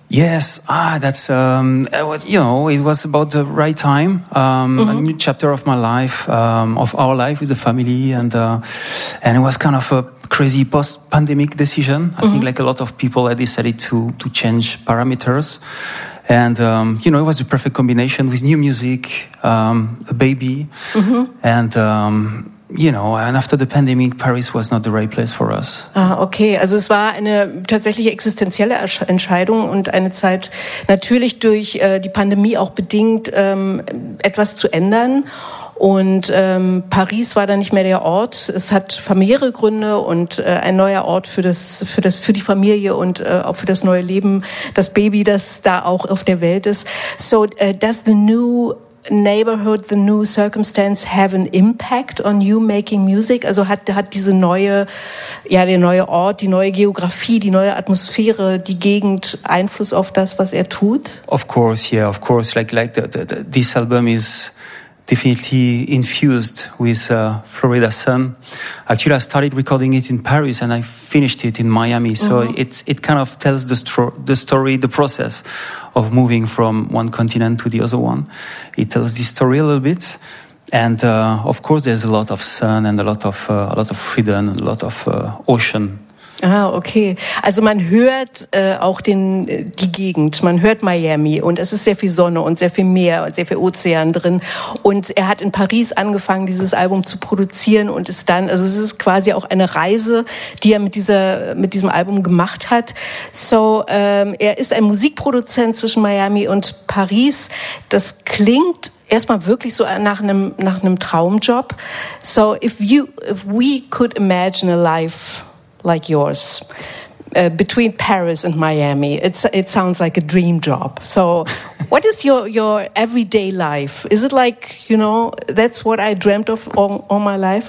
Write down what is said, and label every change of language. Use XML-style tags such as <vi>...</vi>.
<en>Yes, it was about the right time, a new chapter of my life, of our life with the family, and it was kind of a crazy post-pandemic decision. I think like a lot of people, I decided to change parameters. And, it was a perfect combination with new music, a baby, and... and after the pandemic, Paris was not the right place for us. Ah, okay.</en> <de>Also es war eine tatsächliche existenzielle Entscheidung und eine Zeit, natürlich durch die Pandemie auch bedingt, etwas zu ändern. Und Paris war dann nicht mehr der Ort. Es hat familiäre Gründe und ein neuer Ort für die Familie und auch für das neue Leben, das Baby, das da auch auf der Welt ist.</de> <en>So, does the new neighborhood, the new circumstance have an impact on you making music?</en> <de>Also hat diese neue, ja, der neue Ort, die neue Geografie, die neue Atmosphäre, die Gegend Einfluss auf das, was er tut?</de> <en>Of course, yeah, of course. Like this album is definitely infused with Florida sun. Actually, I started recording it in Paris and I finished it in Miami. So it kind of tells the story, the process of moving from one continent to the other one. It tells this story a little bit. And of course, there's a lot of sun and a lot of freedom, a lot of ocean.</en> <de>Ah, okay. Also man hört auch die Gegend. Man hört Miami und es ist sehr viel Sonne und sehr viel Meer und sehr viel Ozean drin. Und er hat in Paris angefangen, dieses Album zu produzieren und ist dann, also es ist quasi auch eine Reise, die er mit diesem Album gemacht hat. So, er ist ein Musikproduzent zwischen Miami und Paris. Das klingt erstmal wirklich so nach einem Traumjob.</de> <en>So, if we could imagine a life like yours, between Paris and Miami, it sounds like a dream job. So, what is your everyday life? Is it like, you know, that's what I dreamt of all my life?</en>